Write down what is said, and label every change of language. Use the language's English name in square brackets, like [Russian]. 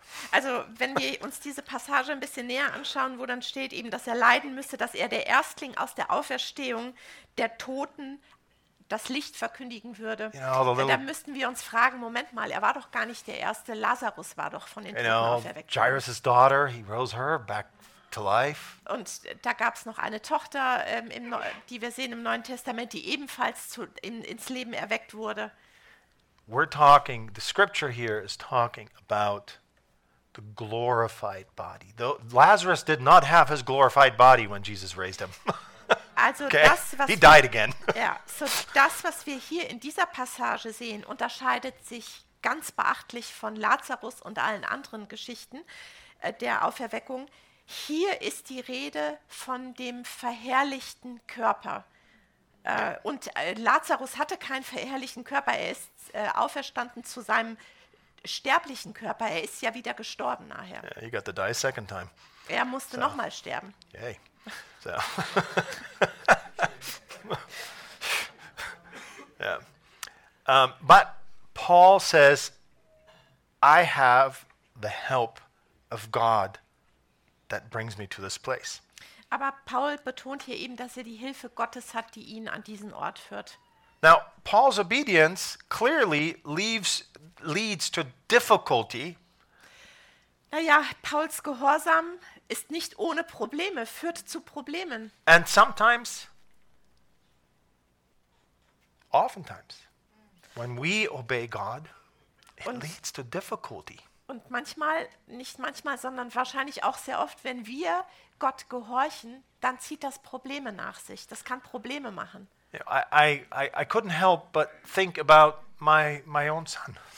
[German] Also, wenn wir uns diese Passage ein bisschen näher anschauen, wo dann steht eben, dass er leiden müsste, dass er der Erstling aus der Auferstehung der Toten das Licht verkündigen würde, da müssten wir uns fragen, Moment mal, er war doch gar nicht der Erste. Lazarus war doch von den Toten auferweckt. [English] Jairus' daughter, he rose her back to life. [German] Und da gab es noch eine Tochter, die wir sehen im Neuen Testament, die ebenfalls ins Leben erweckt wurde. [English] We're talking, the scripture here is talking about the glorified body. Though Lazarus did not have his glorified body when Jesus raised him. [German] Also okay. Das, was [English] he died again. [German] Ja, so das, was wir hier in dieser Passage sehen, unterscheidet sich ganz beachtlich von Lazarus und allen anderen Geschichten der Auferweckung. Hier ist die Rede von dem verherrlichten Körper. Und Lazarus hatte keinen verherrlichten Körper, er ist auferstanden zu seinem sterblichen Körper, er ist ja wieder gestorben nachher. [English] Yeah, he got to die a second time. [German] Er musste so. Nochmal sterben. [English] Yay. So. Yeah. But Paul says, I have the help of God that brings me to this place. [German] Aber Paul betont hier eben, dass er die Hilfe Gottes hat, die ihn an diesen Ort führt. [English] Now, Paul's obedience clearly leads to difficulty. [German] Naja, Pauls Gehorsam ist nicht ohne Probleme, führt zu Problemen. [English] And sometimes, oftentimes, when we obey God, it leads to difficulty. [German] Und manchmal, nicht manchmal, sondern wahrscheinlich auch sehr oft, wenn wir Gott gehorchen, dann zieht das Probleme nach sich. Das kann Probleme machen. [English] I couldn't help but think about my own son.